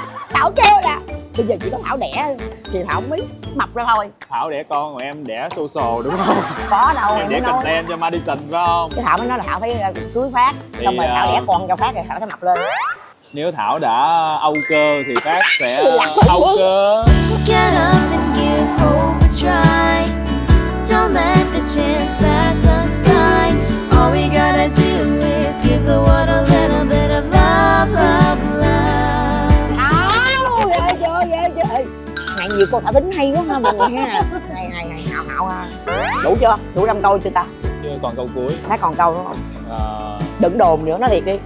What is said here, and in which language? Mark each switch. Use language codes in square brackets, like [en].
[vi] Thảo kêu là bây giờ chỉ có Thảo đẻ thì Thảo mới mập ra thôi. Thảo đẻ con rồi em đẻ xô xồ đúng không? Có đâu em đẻ nói. Đẻ content cho Madison phải không? Thảo mới nói là Thảo phải cưới Phát thì xong rồi Thảo đẻ con cho Phát thì Thảo sẽ mập lên. Nếu Thảo đã âu cơ thì Phát sẽ âu cơ. [en] Get up and give hope a try. Don't let the chance pass us by. All we gotta do is give the world a little bit of love, love, love. [vi] Thảo, ghê chưa, ghê chưa. Ngày nhiều cô Thảo tính hay quá ha mọi người ha. Hay hay hay, Thảo Thảo ha. Đủ chưa? Đủ 5 câu chưa ta? Chưa, còn câu cuối. Phát còn câu đúng không? Đừng đồn nữa, nói thiệt đi.